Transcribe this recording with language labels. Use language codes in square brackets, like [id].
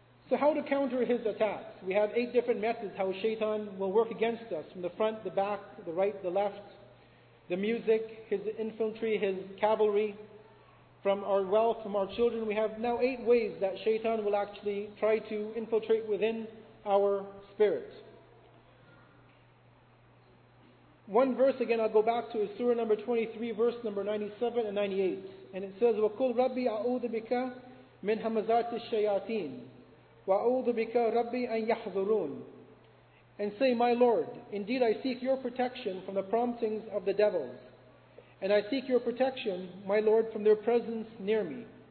[en] So how to counter his attacks? We have eight different methods how shaitan will work against us, from the front, the back, the right, the left, the music, his infantry, his cavalry, from our wealth, from our children. We have now eight ways that shaitan will actually try to infiltrate within our spirit. One verse again I'll go back to is Surah number 23, verse number 97 and 98. [ar] And it says, وَقُلْ رَبِّي أَعُوذُ بِكَ مِنْ هَمَزَاتِ الشَّيَاطِينَ وَأَعُوذُ بِكَ رَبِّي أَنْ يَحْضُرُونَ. [en] And say, My Lord, indeed I seek your protection from the promptings of the devils. And I seek your protection, my Lord, from their presence near me.